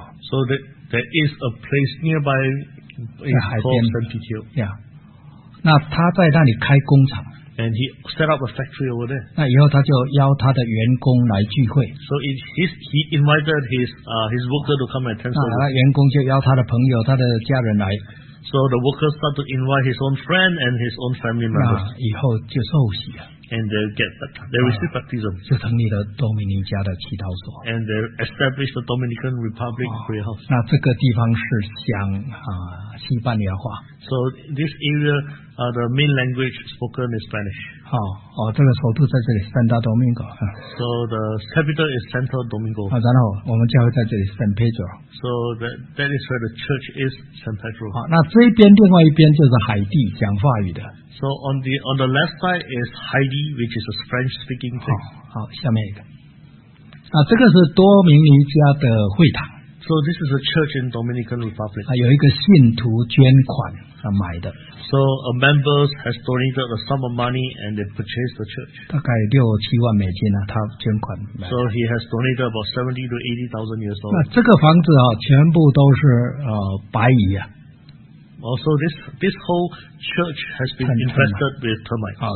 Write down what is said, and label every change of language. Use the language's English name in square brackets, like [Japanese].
[English] So there is a place nearby called San Pedro. [Chinese] Yeah. 那他在那里开工厂。 [English] And he set up a factory over there. [Chinese] 那以后他就邀他的员工来聚会。 [English] So he invited his worker to come and attend. [Chinese] 那员工就邀他的朋友、他的家人来。 [English] So the worker started to invite his own friend and his own family members. [Chinese] 那以后就受洗了。 [English] And they get they receive baptism. [Chinese] 就成立了多米尼加的祈祷所。 [English] And they established the Dominican Republic prayer house. [Chinese] 那这个地方是讲西班牙话。 [English] So this area. The main language spoken is Spanish. [Chinese] 这个首都在这里 ，Santo Domingo. [English] So the capital is Santo Domingo. [Chinese] 然后我们教会在这里 ，San Pedro. [English] So that is where the church is, San Pedro. [Chinese] 那这边另外一边就是海地讲法语的。 [English] So on the left side is Haiti, which is a French speaking place. [Chinese] 好，下面一个。这个是多米尼加的会堂。 [English] So this is a church in Dominican Republic. [Chinese] 有一个信徒捐款买的。 [English] So a member has donated a sum of money and they purchased the church. [Chinese] 大概六七万美金他捐款买的。 [English] So he has donated about 70,000 to 80,000 US dollars. [Chinese] 那这个房子全部都是白蚁 [English] Also, this whole church has been infested with termites.